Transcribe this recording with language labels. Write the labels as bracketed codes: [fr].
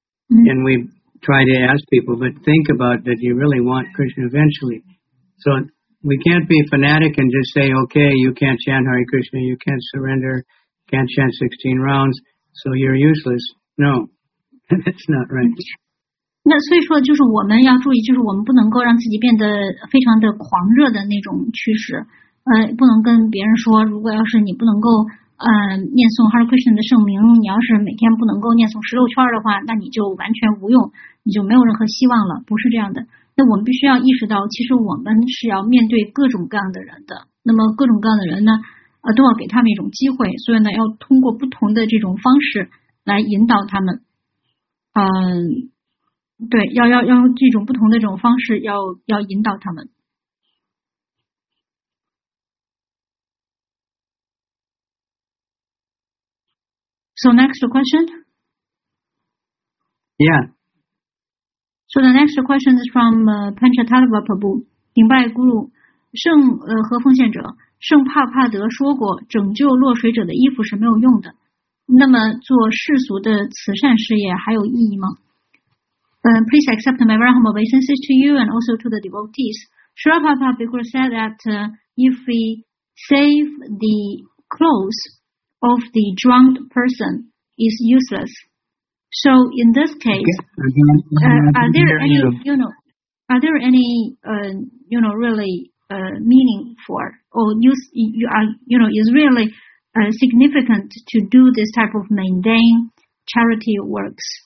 [en] Mm-hmm. And we try to ask people, but think about that you really want Krishna eventually. So we can't be fanatic and just say, okay, you can't chant Hare Krishna, you can't surrender, can't chant 16 rounds, so you're useless. No, that's not right. [zh] 那所以说就是我们要注意，就是我们不能够让自己变得非常的狂热的那种趋势。不能跟别人说，如果要是你不能够念诵 Hare Krishna 的圣名，你要是每天不能够念诵十六圈的话，那你就完全无用，你就没有任何希望了。不是这样的。那我们必须要意识到，其实我们是要面对各种各样的人的。那么各种各样的人呢，都要给他们一种机会，所以呢，要通过不同的这种方式来引导他们。对，要用这种不同的这种方式要引导他们。 [en] So next question. Yeah. So the next question is from Panchatattva Prabhu. [zh] 顶拜咕噜，圣和奉献者，圣帕帕德说过，拯救落水者的衣服是没有用的。那么做世俗的慈善事业还有意义吗？ [en] Please accept my very humble obeisances to you and also to the devotees. Srila Prabhupada because said that if we save the clothes of the drowned person is useless. So in this case, significant to do this type of mundane charity works?